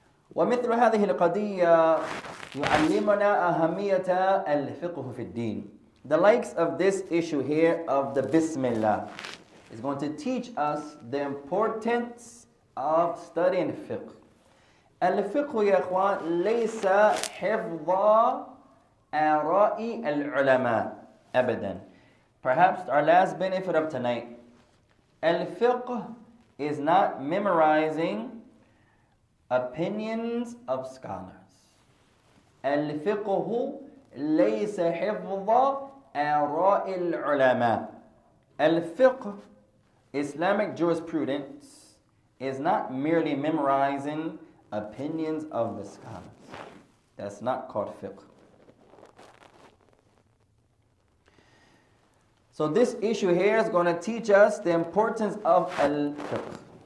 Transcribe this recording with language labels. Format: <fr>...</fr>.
<ar>ومثل هذه القضية يعلمنا أهمية الفقه في الدين.</ar> <en>The likes of this issue here of the Bismillah is going to teach us the importance of studying fiqh.</en> <ar>الفقه يا إخوان ليس حفظ آراء العلماء أبدا.</ar> <en>Perhaps our last benefit of tonight. الفقه is not memorizing opinions of scholars.</en> <ar>الفقه ليس حفظ آراء العلماء.</ar> <en>الفقه, Islamic jurisprudence, is not merely memorizing opinions of the scholars. That's not called fiqh. So this issue here is going to teach us the importance of al-fiqh.</en>